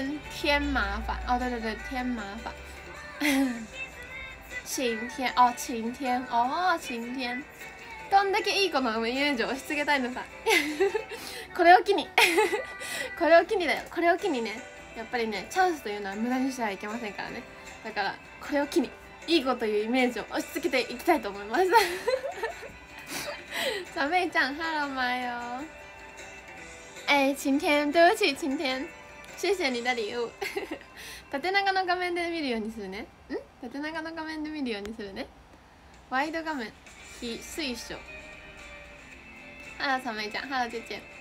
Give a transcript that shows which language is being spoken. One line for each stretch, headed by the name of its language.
Chinese: 添麻烦哦，对对对，添麻烦。晴天哦，晴天哦，晴天。
Japanese: どんだけいい子のイメージを押し付けたいのさ。これを機に、これを機にだよ。これを機にね、やっぱりね、チャンスというのは無駄にしてはいけませんからね。だからこれを機に。いい子というイメージを押し付けていきたいと思います。サメイちゃんハローマヨ。
Chinese: えい、晴天、对不起晴天、谢谢你的礼物。
Japanese: 縦長の画面で見るようにするね。ん、縦長の画面で見るようにするね。ワイド画面非推奨。ハローサメイちゃん、ハローチェチェ。